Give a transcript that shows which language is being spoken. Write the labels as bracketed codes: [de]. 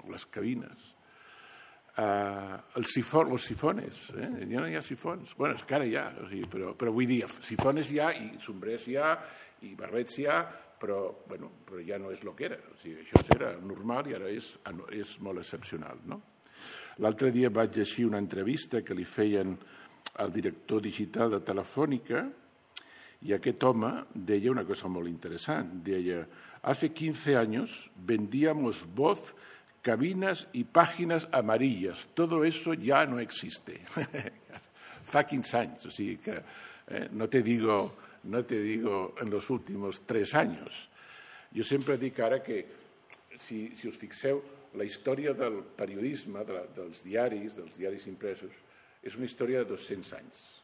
[ca] Les cabines, els sifones, ja no hi ha sifons, bueno, és que ara hi ha, o sigui, però vull dir, sifones hi ha i sombrers hi ha i barrets hi ha, però, bueno, però ja no és el que era, o sigui, això era normal i ara és molt excepcional, no? L'altre dia vaig llegir una entrevista que li feien al director digital de Telefònica. [es] Y aquel hombre decía una cosa muy interesante. Decía, hace 15 años vendíamos voz, cabinas y páginas amarillas. Todo eso ya no existe. [ca] fa 15 anys, o sigui que [es] no te digo en los últimos [ca] 3 anys. Jo sempre dic ara que, si us fixeu, la història del periodisme, dels diaris impresos, és una història de 200 anys.